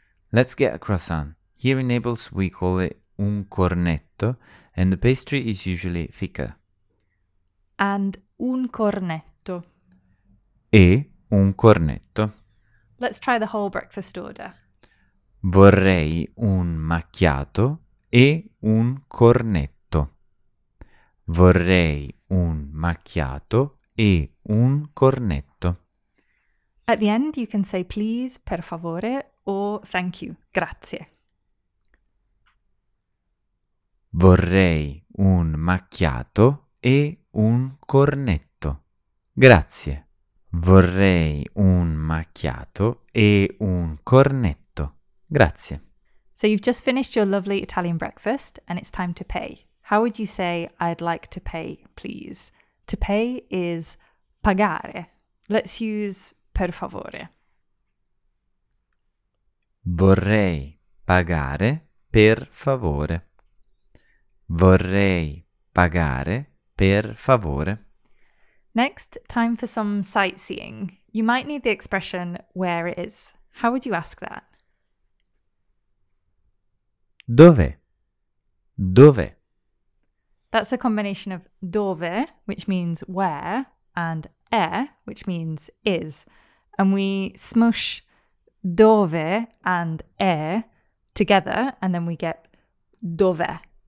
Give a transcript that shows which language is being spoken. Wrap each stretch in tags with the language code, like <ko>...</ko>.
<en>Let's get a croissant. Here in Naples we call it un cornetto, and the pastry is usually thicker. And un cornetto.</en> <it>E un cornetto.</it> <en>Let's try the whole breakfast order.</en> <it>Vorrei un macchiato e un cornetto. Vorrei un macchiato e un cornetto.</it> <en>At the end you can say please, per favore, or thank you, grazie.</en> <it>Vorrei un macchiato e un cornetto. Grazie. Vorrei un macchiato e un cornetto. Grazie.</it> <en>So you've just finished your lovely Italian breakfast and it's time to pay. How would you say I'd like to pay, please? To pay is pagare. Let's use per favore.</en> <it>Vorrei pagare per favore. Vorrei pagare per favore.</it> <en>Next, time for some sightseeing. You might need the expression, where is? How would you ask that?</en> <it>Dove? Dove?</it> <en>That's a combination of dove, which means where, and è, which means is. And we smush dove and è together, and then we get dove.</en>